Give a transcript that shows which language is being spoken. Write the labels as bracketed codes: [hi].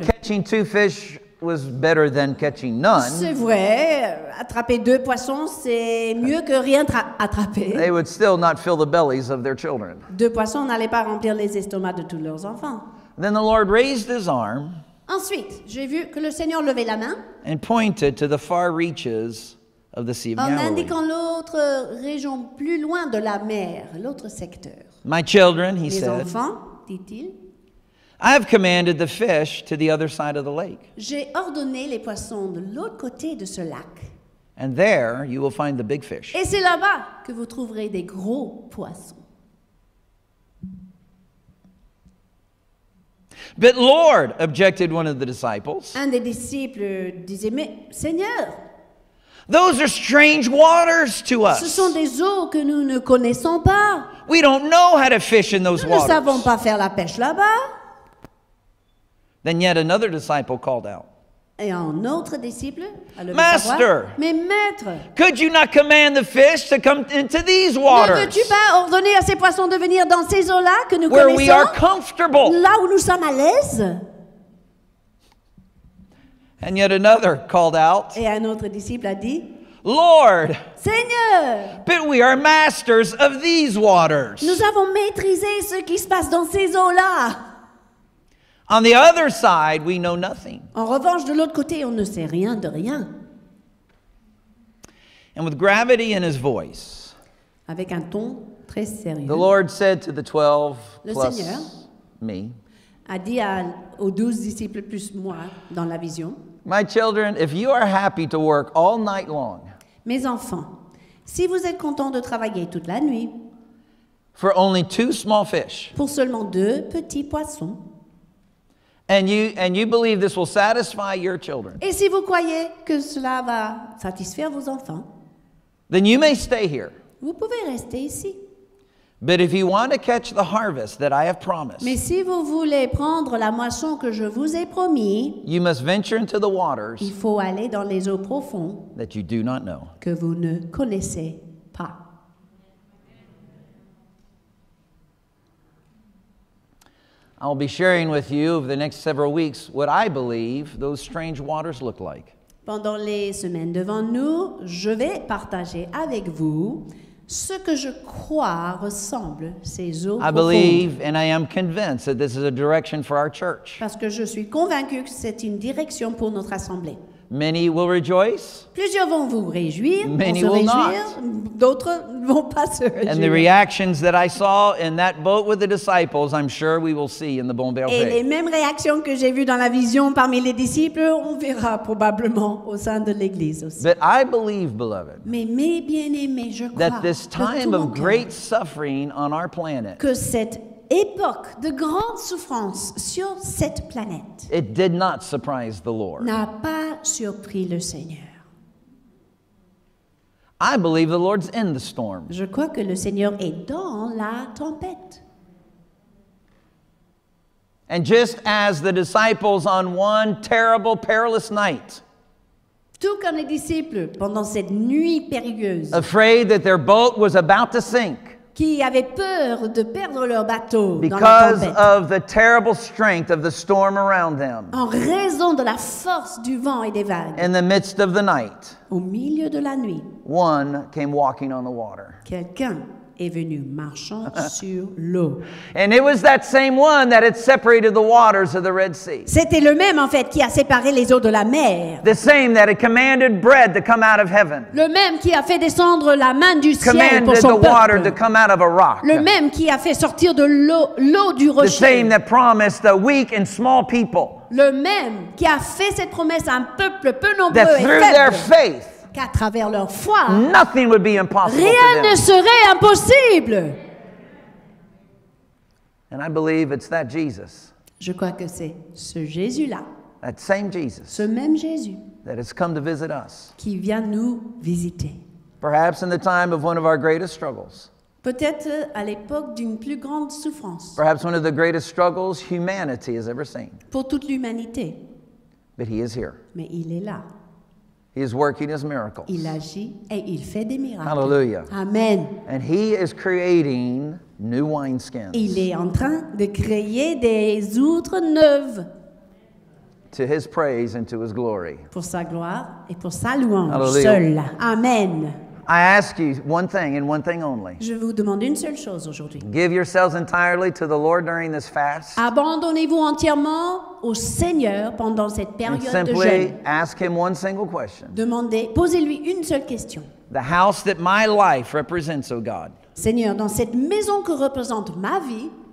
[en] Though catching 2 fish was better than catching none. [fr] C'est vrai, attraper 2 poissons, c'est mieux que rien attraper. [en] They would still not fill the bellies of their children. [fr] 2 poissons n'allaient pas remplir les estomacs de tous leurs enfants. [en] Then the Lord raised his arm. [fr] Ensuite, j'ai vu que le Seigneur levait la main. [en] And pointed to the far reaches of the Sea of Galilee. [fr] En indiquant l'autre région plus loin de la mer, l'autre secteur. [en] My children, he said. [fr] Mes enfants, dit-il. [en] I have commanded the fish to the other side of the lake. [fr] J'ai ordonné les poissons de l'autre côté de ce lac. [en] And there you will find the big fish. [fr] Et c'est là-bas que vous trouverez des gros poissons. [en] But Lord, objected one of the disciples. [fr] Un des disciples disait, mais Seigneur. [en] Those are strange waters to us. [fr] Ce sont des eaux que nous ne connaissons pas. [en] We don't know how to fish in those [fr] nous [en] waters. [fr] Nous ne savons pas faire la pêche là-bas. [en] Then yet another disciple called out. [fr] Et un autre disciple a levé [en] Master, [fr] sa voix. Mais maître. [en] Could you not command the fish to come into these waters? [fr] Ne veux-tu pas ordonner à ces poissons de venir dans ces eaux-là que nous [en] where [fr] connaissons? [en] Where we are comfortable. [fr] Là où nous sommes à l'aise. [en] And yet another called out. [fr] Et un autre disciple a dit. [en] Lord. [fr] Seigneur. [en] But we are masters of these waters. [fr] Nous avons maîtrisé ce qui se passe dans ces eaux-là. [en] On the other side, we know nothing. [fr] En revanche, de l'autre côté, on ne sait rien de rien. [en] And with gravity in his voice, [fr] avec un ton très sérieux, [en] the Lord said to the 12 plus me, [fr] le Seigneur a dit aux 12 disciples plus moi dans la vision, [en] my children, if you are happy to work all night long, [fr] mes enfants, si vous êtes contents de travailler toute la nuit, [en] For only two small fish. [fr] Pour seulement deux petits poissons. [en] And you believe this will satisfy your children. [fr] Et si vous croyez que cela va satisfaire vos enfants, [en] then you may stay here. [fr] Vous pouvez rester ici. [en] But if you want to catch the harvest that I have promised, [fr] mais si vous voulez prendre la moisson que je vous ai promis, [en] you must venture into the waters, [fr] il faut aller dans les eaux profondes, [en] that you do not know, [fr] que vous ne connaissez pas. [en] I'll be sharing with you over the next several weeks what I believe those strange waters look like. [fr] Pendant les semaines devant nous, je vais partager avec vous ce que je crois ressemble ces eaux profondes. [en] I believe and I am convinced that this is a direction for our church. [fr] Parce que je suis convaincu que c'est une direction pour notre assemblée. [en] Many will rejoice. [fr] Plusieurs vont vous réjouir. [en] Many [fr] vont se [en] will [fr] réjouir. [en] Not. [fr] D'autres vont pas se réjouir. [en] And the reactions that I saw in that boat with the disciples, I'm sure we will see in the Bon Berger. [fr] Et les mêmes réactions que j'ai vues dans la vision parmi les disciples, on verra probablement au sein de l'église aussi. [en] But I believe, beloved, [fr] mais mes bien-aimés, je crois, [en] that this time of great suffering on our planet, [fr] que cette époque de grande souffrance sur cette planète, [en] it did not surprise the Lord, [fr] n'a pas surpris le Seigneur. [en] I believe the Lord's in the storm. [fr] Je crois que le Seigneur est dans la tempête. [en] And just as the disciples on one terrible, perilous night, [fr] tout comme les disciples pendant cette nuit périlleuse, [en] afraid that their boat was about to sink, [fr] qui avaient peur de perdre leur bateau dans la tempête, [en] because of the terrible strength of the storm around them, [fr] en raison de la force du vent et des vagues, [en] in the midst of the night, [fr] au milieu de la nuit, [en] one came walking on the water. [fr] Quelqu'un est venu marchant sur l'eau. [en] And it was that same one that had separated the waters of the Red Sea. [fr] C'était le même, en fait, qui a séparé les eaux de la mer. [en] The same that had commanded bread to come out of heaven. [fr] Le même qui a fait descendre la main du ciel [en] commanded [fr] pour son [en] the [fr] peuple. [en] Water to come out of a rock. [fr] Le même qui a fait sortir de l'eau du rocher. [en] The same that promised a weak and small people. [fr] Le même qui a fait cette promesse à un peuple peu nombreux [en] that [fr] et [en] through [fr] faible. [en] Their faith, [fr] qu'à travers leur foi, [en] nothing would be impossible. [fr] Rien ne serait impossible. [en] And I believe it's that Jesus. [fr] Je crois que c'est ce Jésus-là. [en] That same Jesus. [fr] Ce même Jésus. [en] That has come to visit us. [fr] Qui vient nous visiter. [en] Perhaps in the time of one of our greatest struggles. [fr] Peut-être à l'époque d'une plus grande souffrance. [en] Perhaps one of the greatest struggles humanity has ever seen. [fr] Pour toute l'humanité. [en] But he is here. [fr] Mais il est là. [en] He is working his miracles. [fr] Il agit et il fait des miracles. [en] Hallelujah. [fr] Amen. [en] And he is creating new wineskins. [fr] Il est en train de créer des outres neuves. [en] To his praise and to his glory. [fr] Pour sa gloire et pour sa louange seul. [en] Amen. I ask you one thing and one thing only. [fr] Je vous demande une seule chose aujourd'hui. [en] Give yourselves entirely to the Lord during this fast. [fr] Abandonnez-vous entièrement au Seigneur pendant cette période de jeûne. [en] Simply ask him one single question. [fr] Demandez, posez-lui une seule question. [en] The house that my life represents, O God. [fr] Seigneur, dans cette maison que représente ma vie.